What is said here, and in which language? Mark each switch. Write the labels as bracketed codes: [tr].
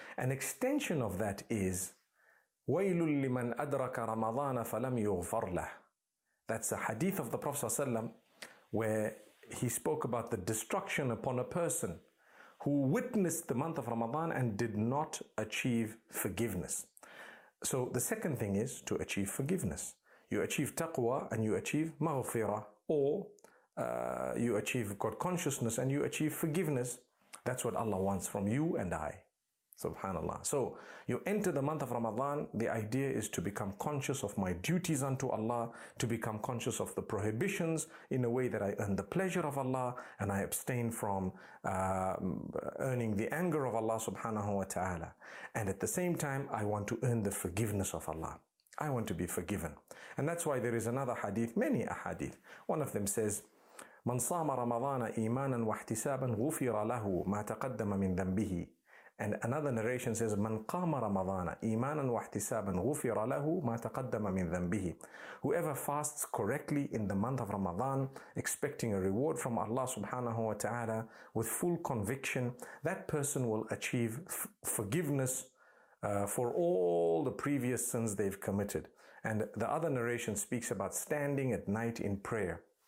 [en] An extension of that is, [ar] وَيْلٌ لِّمَنْ أَدْرَكَ رَمَضَانَ فَلَمْ يُغْفَرْ لَهُ. [en] That's a hadith of the Prophet ﷺ where he spoke about the destruction upon a person who witnessed the month of Ramadan and did not achieve forgiveness. So the second thing is to achieve forgiveness. You achieve taqwa and you achieve maghfirah, or you achieve God consciousness and you achieve forgiveness. That's what Allah wants from you and I. Subhanallah. So you enter the month of Ramadan. The idea is to become conscious of my duties unto Allah, to become conscious of the prohibitions in a way that I earn the pleasure of Allah and I abstain from earning the anger of Allah subhanahu wa ta'ala. And at the same time, I want to earn the forgiveness of Allah. I want to be forgiven. And that's why there is another hadith, many ahadith. One of them says, [ar] من صام رمضان إيمانا واحتسابا غفر له ما تقدم من ذنبه. [en] And another narration says, [ar] من قام رمضان إيمانا واحتسابا غفر له ما تقدم من ذنبه. [en] Whoever fasts correctly in the month of Ramadan, expecting a reward from Allah subhanahu wa ta'ala, with full conviction, that person will achieve forgiveness for all the previous sins they've committed. And the other narration speaks about standing at night in prayer.